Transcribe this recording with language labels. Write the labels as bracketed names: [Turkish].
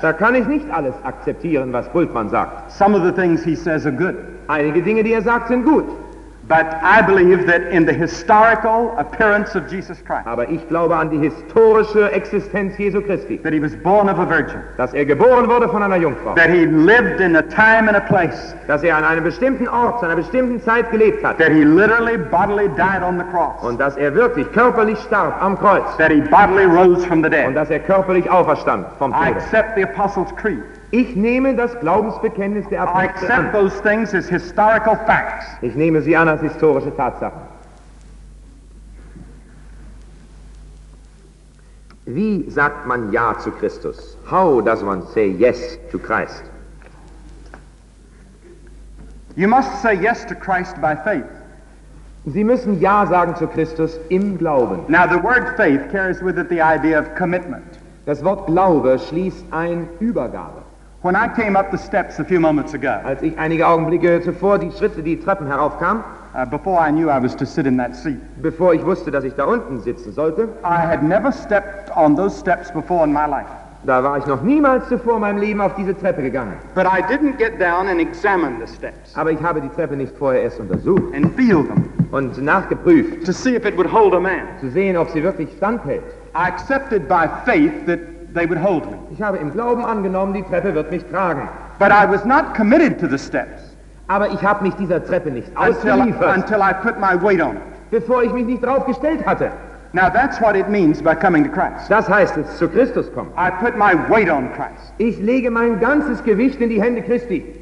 [German] Da kann ich nicht alles akzeptieren, was Bultmann sagt. [English] Some of the things he says are good. [German] Einige Dinge, die er sagt, sind gut. [English] But I believe that in the historical appearance of Jesus Christ. [German] Aber ich glaube an die historische Existenz Jesu Christi. [English] That he was born of a virgin. [German] Dass geboren wurde von einer Jungfrau. [English] That he lived in a time and a place. [German] Dass an einem bestimmten Ort, einer bestimmten Zeit gelebt hat. [English] That he literally bodily died on the cross. [German] Und dass wirklich körperlich starb am Kreuz. [English] That he bodily rose from the dead. [German] Und dass körperlich auferstand vom Tod. [English] I accept the Apostles' Creed. [German] Ich nehme das Glaubensbekenntnis der Apostel an. [English] I accept those things as historical facts. [German] Ich nehme sie an als historische Tatsachen. Wie sagt man Ja zu Christus? [English] How does one say yes to Christ? You must say yes to Christ by faith. [German] Sie müssen Ja sagen zu Christus im Glauben. [English] Now the word faith carries with it the idea of commitment. [German] Das Wort Glaube schließt ein Übergabe. [English] When I came up the steps a few moments ago, [German] als ich einige Augenblicke zuvor die Schritte die Treppen heraufkam, [English] before I knew I was to sit in that seat, [German] bevor ich wusste, dass ich da unten sitzen sollte, [English] I had never stepped on those steps before in my life. [German] Da war ich noch niemals zuvor in meinem Leben auf diese Treppe gegangen. [English] But I didn't get down and examine the steps. [German] Aber ich habe die Treppe nicht vorher erst untersucht [English] and feel them [German] und nachgeprüft, [English] to see if it would hold a man, [German] zu sehen, ob sie wirklich standhält. [English] I accepted by faith that they would hold me. [German] Ich habe im Glauben angenommen, die Treppe wird mich tragen. [English] But I was not committed to the steps. [German] Aber ich habe mich dieser Treppe nicht ausgeliefert. [English] Until I put my weight on it. [German] Bevor ich mich nicht drauf gestellt hatte. [English] Now that's what it means by coming to Christ. [German] Das heißt, es zu Christus kommen. [English] I put my weight on Christ. [German] Ich lege mein ganzes Gewicht in die Hände Christi.